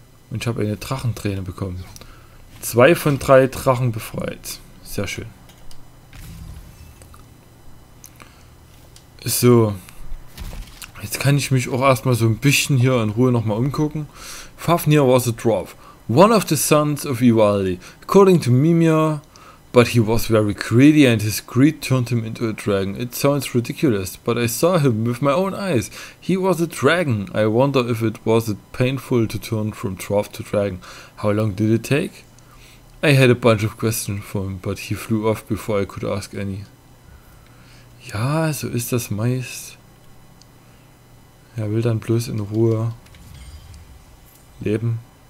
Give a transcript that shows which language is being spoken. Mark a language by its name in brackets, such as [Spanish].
[German] Und ich habe eine Drachenträne bekommen. Zwei von drei Drachen befreit. Sehr schön. So. Jetzt kann ich mich auch erstmal so ein bisschen hier in Ruhe nochmal umgucken. [English] Fafnir was a Dwarf. One of the sons of Ivaldi, according to Mimir, but he was very greedy and his greed turned him into a dragon. It sounds ridiculous, but I saw him with my own eyes. He was a dragon. I wonder if it was painful to turn from dwarf to dragon. How long did it take? I had a bunch of questions for him, but he flew off before I could ask any. [German] Ja, so ist das meist. Er will dann bloß in Ruhe leben.